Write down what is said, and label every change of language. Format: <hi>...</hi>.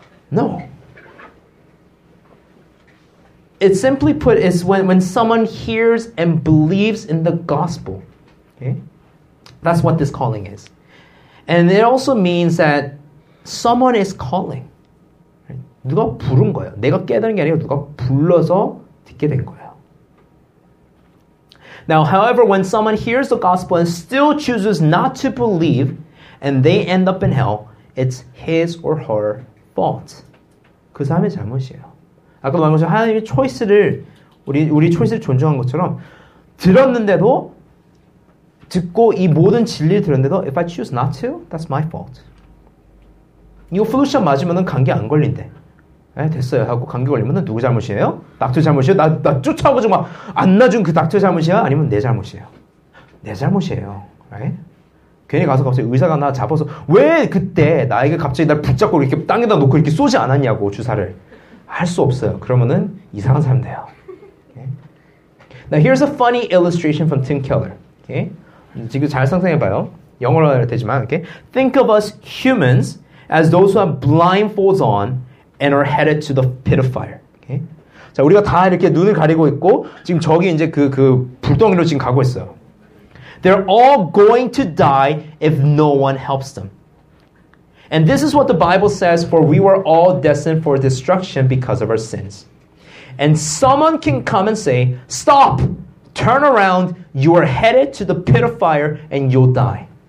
<en>No. It simply put is when someone hears and believes in the gospel. Okay? That's what this calling is. And it also means that someone is calling. Right?</en> <ko>누가 부른 거예요. 내가 깨달은 게 아니고 누가 불러서 듣게 된 거예요.</ko> <en>Now, however, when someone hears the gospel and still chooses not to believe and they end up in hell, it's his or her fault.</en> <ko>그 사람의 잘못이에요. 아까 말한 것처럼 하나님의 choice를, 우리 choice를 존중한 것처럼 들었는데도, 듣고 이 모든 진리를 들었는데도</ko> <en>if I choose not to, that's my fault.</en> <ko>이거 플루샷 맞으면 감기 안 걸린대. 에 됐어요 하고 감기 걸리면 누구 잘못이에요? 닥터 잘못이에요? 나 쫓아오지 마. 안 놔준 그 닥터 잘못이야? 아니면 내 잘못이에요? 내 잘못이에요.</ko> <en>Right?</en> <ko>괜히 가서 갑자기 의사가 나 잡아서 왜 그때 나에게 갑자기 날 붙잡고 이렇게 땅에다 놓고 이렇게 쏘지 않았냐고 주사를 할 수 없어요. 그러면은 이상한 사람 돼요.</ko> <en>Okay? Now here's a funny illustration from Tim Keller. Okay?</en> <ko>지금 잘 상상해봐요. 영어로 해야 되지만 okay?</ko> <en>Think of us humans as those who have blindfolds on and are headed to the pit of fire. Okay?</en> <ko>자, 우리가 다 이렇게 눈을 가리고 있고 지금 저기 이제 그 불덩이로 지금 가고 있어요.</ko> <en>They're all going to die if no one helps them. And this is what the Bible says, for we were all destined for destruction because of our sins. And someone can come and say, stop, turn around, you are headed to the pit of fire and you'll die.</en>